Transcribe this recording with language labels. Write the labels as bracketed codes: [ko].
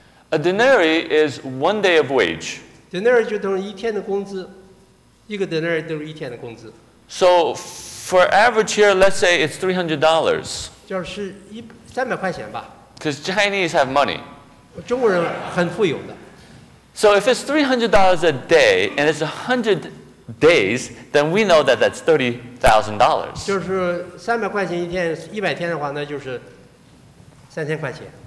[en] A denarii is one day of wage. [zh] Denarii就等于一天的工资,一个denarii等于一天的工资. [en] So for average here, let's say it's $300. [zh] 就是300块钱吧。 [en] Because Chinese have money. [zh] 中国人很富有的。 [en] So if it's $300 a day and it's 100 days, then we know that that's $30,000. [zh] 就是300块钱一天,100天的话, 那就是3000块钱。